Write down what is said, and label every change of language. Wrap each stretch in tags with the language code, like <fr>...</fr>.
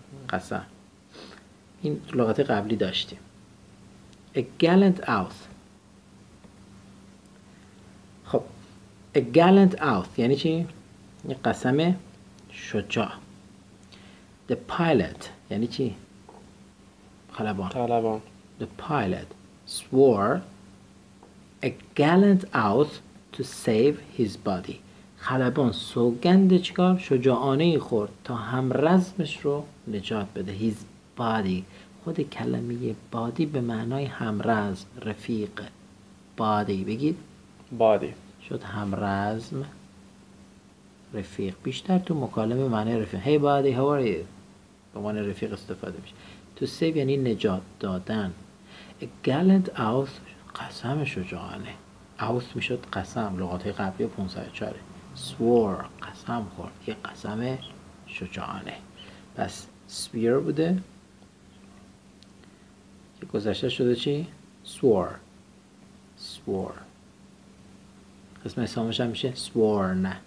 <fa>قسم. این لغت قبلی داشتیم.</fa> <en>A gallant oath. A gallant oath</en> <fa>یعنی چی؟ یه قسم شجاع.</fa> <en>The pilot</en> <fa>یعنی چی؟ طالبان.</fa> <en>The pilot swore a gallant oath to save his body.</en> <fa>طالبان سوگند چیکار؟ شجاعانه ای خورد تا همرزمش رو نجات بده.</fa> <en>His body،</en> <fa>خود کلمه body به معنای همرزم، رفیق. Body بگید.</fa> <en>Body</en> <fa>شد همرزم، رفیق. بیشتر تو مکالمه معنی رفیق،</fa> <en>hey buddy how are you،</en> <fa>به معنی رفیق استفاده میشه.</fa> <en>to save</en> <fa>یعنی نجات دادن.</fa> <en>a gallant oath</en> <fa>قسم شجاعانه. oath میشد قسم. لغات قبلی 504 swore قسم خورد، یه قسم شجاعانه. پس swear بوده که گذشته شده چی؟ swore. swore اسم اسمش هم میشه sworn.</fa>